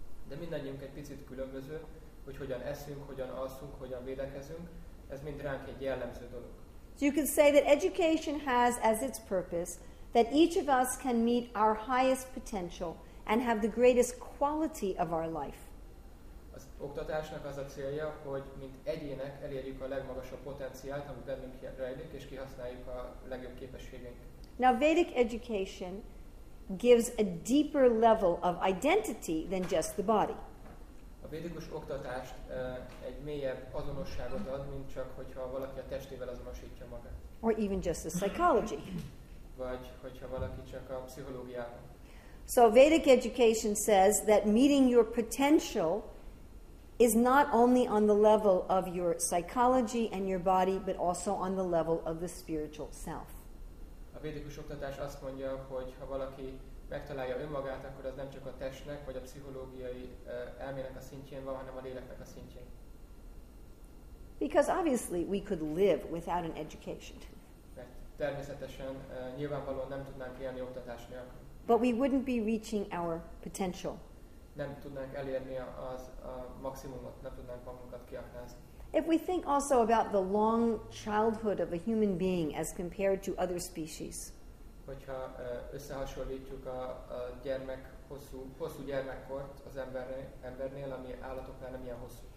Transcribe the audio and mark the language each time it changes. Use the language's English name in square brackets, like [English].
[Hungarian] De mindannyiunk egy picit különböző, hogy hogyan eszünk, hogyan alszunk, hogyan védekezünk, ez mind ránk egy jellemző dolog. [English] So you can say that education has as its purpose that each of us can meet our highest potential and have the greatest quality of our life. [Hungarian] Az oktatásnak az a célja, hogy mint egyének elérjük a legmagasabb potenciált, ami bennünk rejlik, és kihasználjuk a legjobb képességeink. [English] Now Vedic education gives a deeper level of identity than just the body. [Hungarian] A védikus oktatást egy mélyebb azonosságot ad, mint csak hogyha valaki a testével azonosítja magát. [English] Or even just the psychology. [Hungarian] Vagy hogyha valaki csak a pszichológiával. [English] So Vedic education says that meeting your potential is not only on the level of your psychology and your body, but also on the level of the spiritual self. [Hungarian] A védikus oktatás azt mondja, hogy ha valaki megtalálja önmagát, akkor az nem csak a testnek vagy a pszichológiai elmének a szintjén van, hanem a léleknek a szintjén. [English] Because obviously we could live without an education. [Hungarian] Mert természetesen nyilvánvalóan nem tudnánk élni oktatás nélkül. [English] But we wouldn't be reaching our potential. [Hungarian] Nem tudnánk elérni az a maximumot, nem tudnánk magunkat kiaknázni. [English] If we think also about the long childhood of a human being as compared to other species. [Hungarian] Hogyha összehasonlítjuk a gyermek hosszú gyermekkort az embernél, ami állatoknál nem ilyen hosszú.